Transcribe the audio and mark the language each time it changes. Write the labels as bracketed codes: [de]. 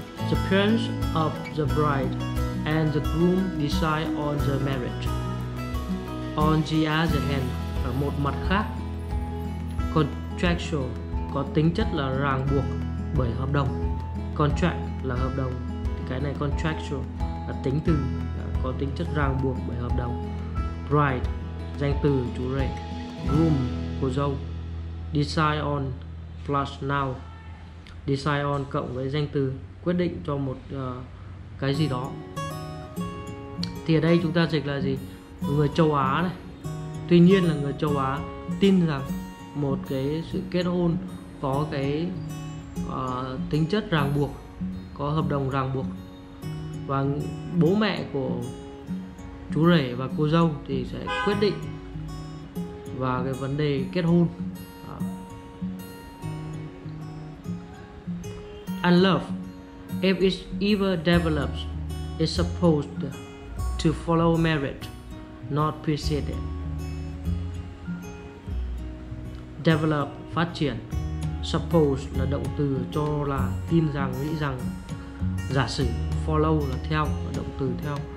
[en] The parents of the bride and the groom decide on the marriage. On the other hand, [vi] ở một mặt khác, contractual có tính chất là ràng buộc bởi hợp đồng. Contract là hợp đồng, cái này contractual là tính từ có tính chất ràng buộc bởi hợp đồng. Bride, danh từ chủ rể. Groom, cô dâu. [en] Decide on plus noun. Decide on [vi] cộng với danh từ quyết định cho một cái gì đó. Thì ở đây chúng ta dịch là gì? Người châu Á này. Tuy nhiên là người châu Á tin rằng một cái sự kết hôn có cái tính chất ràng buộc, có hợp đồng ràng buộc. Và bố mẹ của chú rể và cô dâu thì sẽ quyết định và cái vấn đề kết hôn. [en] And love, if it ever develops, is supposed to follow marriage, not precede it. [vi] Develop, phát triển. Supposed là động từ cho là tin rằng, nghĩ rằng, giả sử. Follow là theo, là động từ theo.